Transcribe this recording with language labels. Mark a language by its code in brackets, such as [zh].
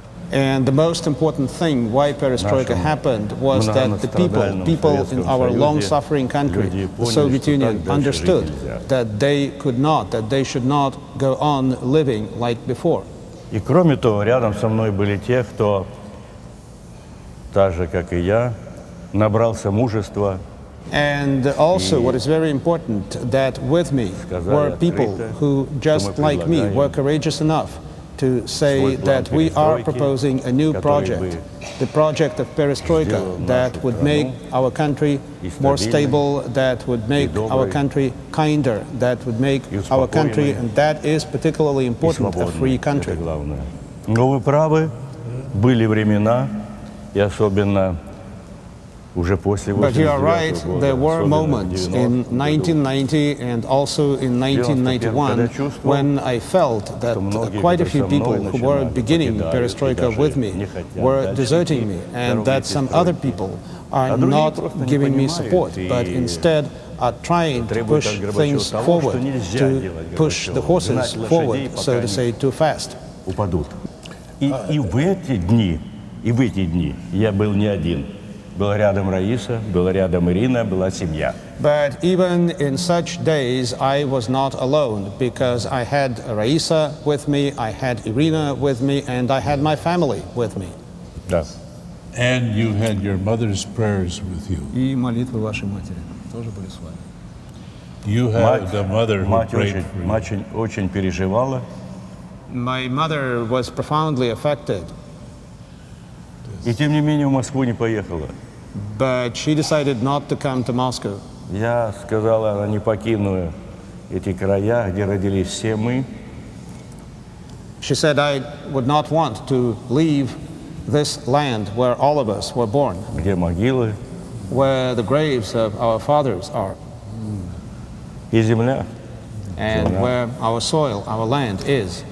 [en] And the most important thing why perestroika happened was that the people in our long-suffering country, the Soviet Union, understood that they could not, that they should not go on living like before. [ru] И кроме того, рядом со мной были те, кто, так же как и я, набрался мужества. [en] And also, what is very important, that with me were people who, just like me, were courageous enough to say that we are proposing a new project, the project of perestroika, that would make our country more stable, that would make our country kinder, that would make our country, and that is particularly important, a free country. [ru] Но вы правы, были времена, и особенно уже после 89-го года. [en] But you are right, there were moments in 1990 and also in 1991 when I felt that quite a few people who were beginning perestroika with me were deserting me, and that some other people are not giving me support, but instead are trying to push things forward, to push the horses forward, so to say, too fast. But even in such days, I was not alone, because I had Раиса with me, I had Ирина with me, and I had my family with me. And you had your mother's prayers with you. [ru] И молитвы вашей матери тоже были с вами. [en] You had the mother who prayed for you. [ru] Мать очень переживала. [en] My mother was profoundly affected. [ru] И тем не менее в Москву не поехала. [en] But she decided not to come to Moscow. [ru] Я сказала, я не покину эти края, где родились все мы. [en] She said I would not want to leave this land where all of us were born. [ru] Где могилы? [en] Where the graves of our fathers are. [ru] И земля. [en] And where our soil, our land is.